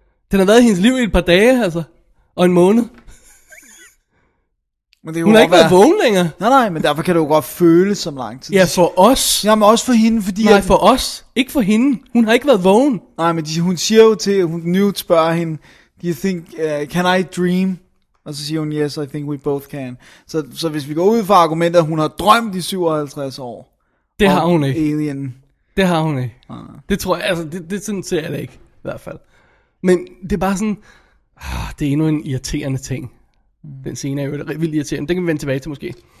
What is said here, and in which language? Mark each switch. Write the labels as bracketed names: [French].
[Danish] Den har været i hendes liv i et par dage, altså. Og en måned. Men det hun har ikke været vågen længere. Nej, men derfor kan det jo godt føles som lang tid. Ja, for os. Jamen også for hende, fordi... Nej, for os. Ikke for hende. Hun har ikke været vågen. Nej, men hun siger jo til... Hun Newt spørger hende, [English] do you think... can I dream... [Danish] Og så siger hun, [English] yes, I think we both can. [Danish] Så hvis vi går ud fra argumentet, hun har drømt i 57 år. Det har hun ikke. Alien. Det har hun ikke. Det tror jeg, altså, det sådan ser jeg det ikke, i hvert fald. Men det er bare sådan, det er endnu en irriterende ting. Den scene er jo vildt irriterende. Den kan vi vende tilbage til måske.